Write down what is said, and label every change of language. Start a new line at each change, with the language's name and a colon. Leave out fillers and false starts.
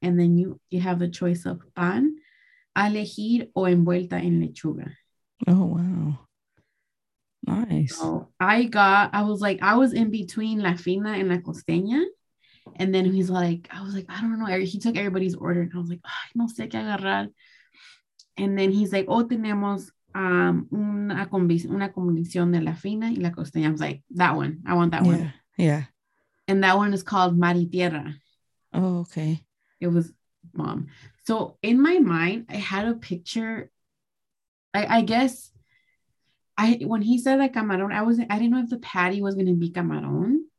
English: And then you have the choice of pan,
Spanish: a elegir o envuelta en lechuga.
English: Oh, wow. Nice. So I was in between La Fina and La Costeña. And then he's like, I was like, I don't know. He took everybody's order. And I was like,
Spanish: ay, no sé qué agarrar.
English: And then he's like, oh,
Spanish: tenemos una combinación de La Fina y La Costeña.
English: I was like, that one. I want that one. Yeah. And that one is called Mari Tierra. Oh, okay. It was bomb. So in my mind, I had a picture. I guess when he said that camarón, I didn't know if the patty was going to be camarón.